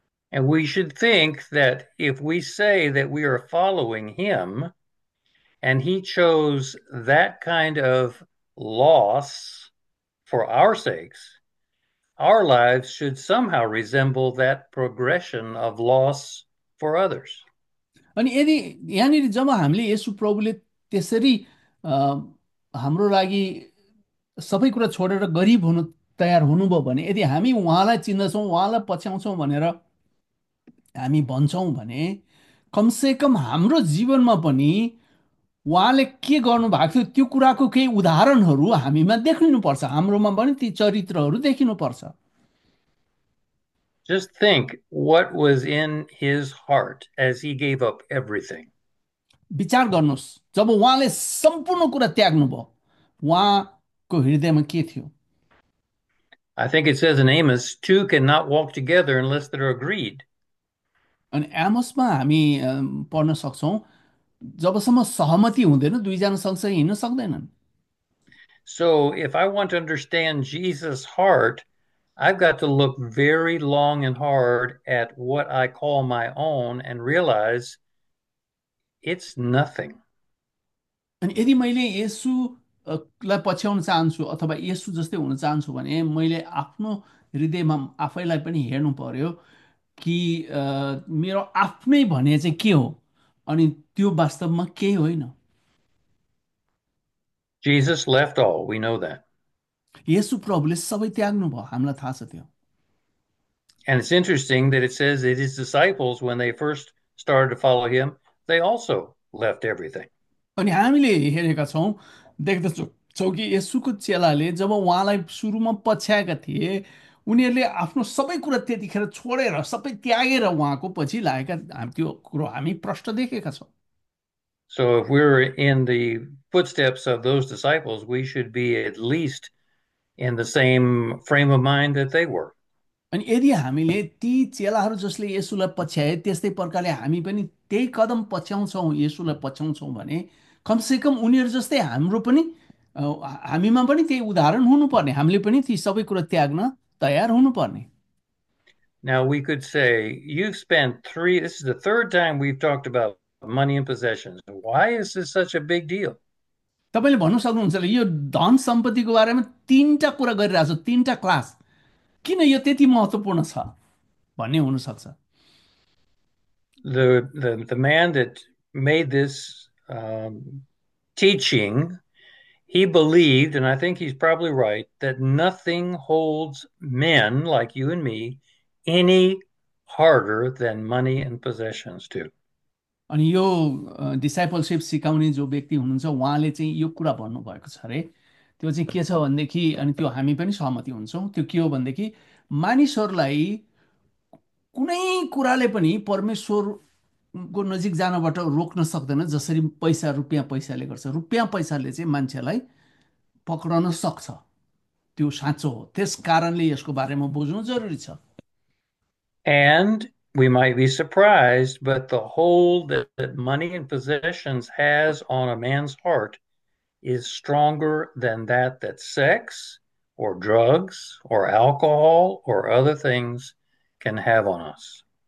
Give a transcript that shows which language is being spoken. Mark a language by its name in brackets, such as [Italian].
[English] And we should think that if we say that we are following him, and he chose that kind of loss for our sakes, our lives should somehow resemble that progression of loss for others. [Nepali] अनि यदि यहाँनिर जब हामीले येशू प्रभुले त्यसरी हाम्रो लागि सबै कुरा छोडेर गरिब हुनु तयार हुनुभयो भने यदि हामी उहाँलाई चिन्दछौँ उहाँलाई पछ्याउँछौँ भनेर हामी भन्छौँ भने कमसेकम हाम्रो जीवनमा पनि उहाँले के गर्नुभएको थियो त्यो कुराको केही उदाहरणहरू हामीमा देखिनुपर्छ हाम्रोमा पनि ती चरित्रहरू देखिनुपर्छ। [English] Just think what was in his heart as he gave up everything. [Nepali] विचार गर्नुहोस् जब उहाँले सम्पूर्ण कुरा त्याग्नुभयो उहाँको हृदयमा के थियो। [English] I think it says in Amos, two cannot walk together unless they're agreed. [Nepali] अनि एमोसमा हामी पढ्न सक्छौँ जबसम्म सहमति हुँदैन दुईजना सँगसँगै हिँड्न सक्दैनन्। [English] So if I want to understand Jesus' heart, I've got to look very long and hard at what I call my own and realize it's nothing. [Nepali] अनि यदि मैले येसुलाई पछ्याउन चाहन्छु अथवा येसु जस्तै हुन चाहन्छु भने मैले आफ्नो हृदयमा आफैलाई पनि हेर्नु पर्यो कि मेरो आफ्नै भने चाहिँ के हो अनि त्यो वास्तवमा केही होइन। [English] Jesus left all, we know that. [Nepali] Yesu प्रभुले सबै त्याग्नु भयो हामीलाई थाहा छ त्यो। [English] And it's interesting that it says that his disciples, when they first started to follow him, they also left everything. [Nepali] अनि हामीले हेरेका छौँ देख्दछौँ कि येशूको चेलाले जब उहाँलाई सुरुमा पछ्याएका थिए उनीहरूले आफ्नो सबै कुरा त्यतिखेर छोडेर सबै त्यागेर उहाँको पछि लागेका हामी त्यो कुरो हामी प्रष्ट देखेका छौँ। [English] So if we're in the footsteps of those disciples, we should be at least in the same frame of mind that they were. [Nepali] अनि यदि हामीले ती चेलाहरू जसले येसुलाई पछ्याए त्यस्तै प्रकारले हामी पनि त्यही कदम पछ्याउँछौँ, येसुलाई पछ्याउँछौँ भने कमसेकम उनीहरू जस्तै हाम्रो पनि हामीमा पनि त्यही उदाहरण हुनुपर्ने, हामीले पनि ती सबै कुरा त्याग्न तयार हुनुपर्ने। [English] Now we could say, you've spent three, this is the third time we've talked about money and possessions. Why is this such a big deal? [Nepali] तपाईँले भन्न सक्नुहुन्छ होला यो धन सम्पत्तिको बारेमा तिनवटा कुरा गरिरहेको छ, तिनवटा क्लास, किन यो त्यति महत्त्वपूर्ण छ भन्ने हुनसक्छ। [English] The man that made this teaching, he believed, and I think he's probably right, that nothing holds men like you and me any harder than money and possessions do. [Nepali] अनि यो डिसाइपलसिप सिकाउने जो व्यक्ति हुनुहुन्छ उहाँले चाहिँ यो कुरा भन्नुभएको छ अरे, त्यो चाहिँ के छ भनेदेखि, अनि त्यो हामी पनि सहमति हुन्छौँ, त्यो के हो भनेदेखि मानिसहरूलाई कुनै कुराले पनि परमेश्वरको नजिक जानबाट रोक्न सक्दैन, जसरी पैसा रुपियाँ पैसाले गर्छ, रुपियाँ पैसाले चाहिँ मान्छेलाई पक्रन सक्छ, त्यो साँचो हो। त्यस कारणले यसको बारेमा बुझ्नु जरुरी छ। [English] And we might be surprised, but the hold that money and possessions has on a man's heart is stronger than that sex or drugs or alcohol or other things can have on us.